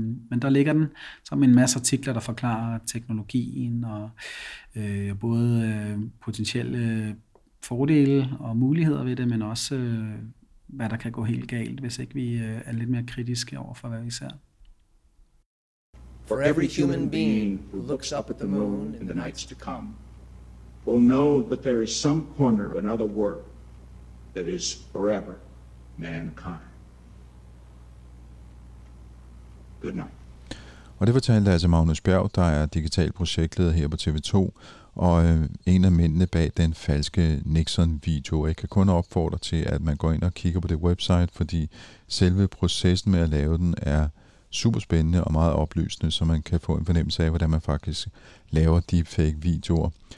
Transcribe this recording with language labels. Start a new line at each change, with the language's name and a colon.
Danish: Men der ligger den, som en masse artikler, der forklarer teknologien og både potentielle fordele og muligheder ved det, men også hvad der kan gå helt galt, hvis ikke vi er lidt mere kritiske over for hvad vi ser.
English: For every human being who looks up at the moon in the nights to come will know that there is some corner of another world that is forever mankind. Good night.
Danish: Og det fortalte altså Magnus Bjerg, der er digital projektleder her på TV2, og en af mændene bag den falske Nixon-video. Jeg kan kun opfordre til, at man går ind og kigger på det website, fordi selve processen med at lave den er superspændende og meget oplysende, så man kan få en fornemmelse af, hvordan man faktisk laver deepfake-videoer.